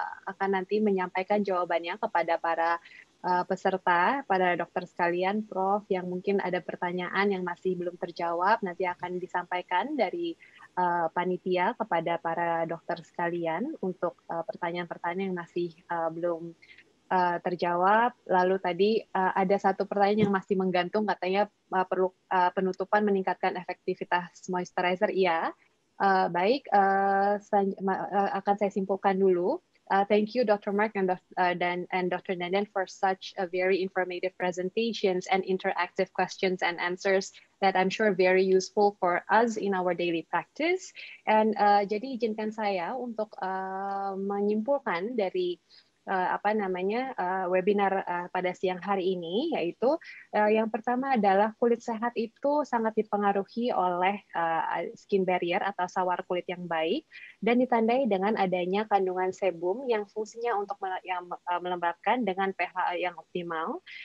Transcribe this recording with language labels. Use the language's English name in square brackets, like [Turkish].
[Indonesian] akan nanti menyampaikan jawabannya kepada para peserta, para dokter sekalian, Prof, yang mungkin ada pertanyaan yang masih belum terjawab, nanti akan disampaikan dari panitia kepada para dokter sekalian untuk pertanyaan-pertanyaan yang masih belum terjawab. Lalu tadi ada satu pertanyaan yang masih menggantung, katanya perlu penutupan meningkatkan efektivitas moisturizer. Iya, baik, akan saya simpulkan dulu. [English] Thank you Dr. Mark and Dr. Nenden for such a very informative presentations and interactive questions and answers that I'm sure very useful for us in our daily practice. [Indonesian] And jadi izinkan saya untuk menyimpulkan dari webinar pada siang hari ini, yaitu yang pertama adalah kulit sehat itu sangat dipengaruhi oleh skin barrier atau sawar kulit yang baik dan ditandai dengan adanya kandungan sebum yang fungsinya untuk melembabkan dengan pH yang optimal.